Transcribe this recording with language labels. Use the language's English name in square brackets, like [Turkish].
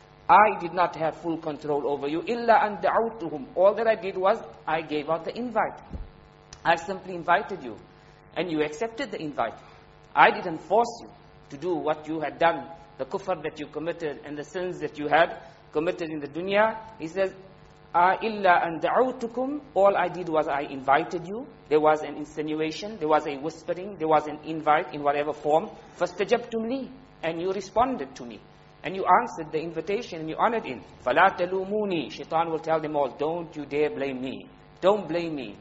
[English] I did not have full control over you. [Arabic] إِلَّا أَنْ دَعُوتُهُمْ. [English] All that I did was, I gave out the invite. I simply invited you. And you accepted the invite. I didn't force you to do what you had done, the kufr that you committed and the sins that you had committed in the dunya. He says, [Arabic] إِلَّا أَنْ دَعُوتُكُمْ. [English] All I did was I invited you. There was an insinuation, there was a whispering, there was an invite in whatever form. [Arabic] فَاسْتَجَبْتُمْ لِي. [English] And you responded to me. And you answered the invitation and you honored in. [Arabic] فَلَا تَلُومُونِي. [English] Shaitan will tell them all, don't you dare blame me. Don't blame me.